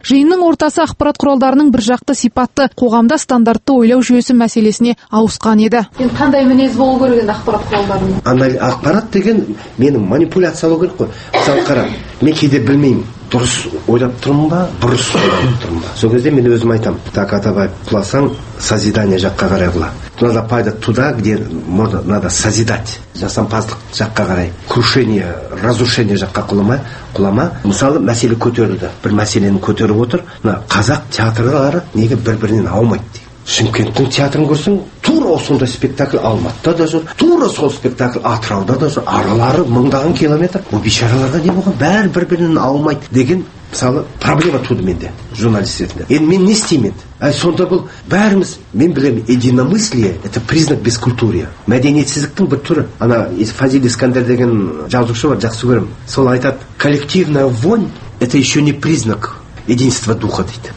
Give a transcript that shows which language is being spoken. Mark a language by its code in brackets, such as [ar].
[kk] Жиынның ортасы ақпарат құралдарының бір жақты сипатты, қоғамда стандартты ойлау жүйесі мәселесіне ауысқан еді. Сен қандай мінез болу керек енді ақпарат құралдарының? Ақпарат деген мені манипуляциялау керек қой. Мысалы қара, мен кейде білмеймін, дұрыс ойлап тұрмын ба, бұрыс ойлап тұрмын ба. Сол кезде мен өзім айтам, так Атабай құласаң, созидание жаққа қарай құла. [ru] Надо пайда туда, где надо созидать. [kk] Жасампаздық жаққа қарай. [ru] Крушение, разрушение [kk] жаққа құлама, құлама. Мысалы, мәселе көтерілді. Бір мәселені көтеріп отыр. Қазақ театрлары неге бір-бірінен аумайды? Шымкенттің театрын көрсең, тура осында спектакль Алматыда да жүр, тура сол спектакль Атырауда да жүр, аралары мыңдаған километр. Бұл бешараларға не болған? Бәрі бір-бірінен алмайды деген, мысалы, проблема туды менде, журналистерінде. Енді мен не істеймін? Сонда бұл бәріміз, мен білемін, [ru] единомыслие – это признак бескультурия. [kk] Мәдениетсіздіктің бір түрі. Ана Фазиль Искандер деген жазушы бар, жақсы көремін. Сол айтады, [ru] коллективная вонь – это еще не признак единство духа дейді.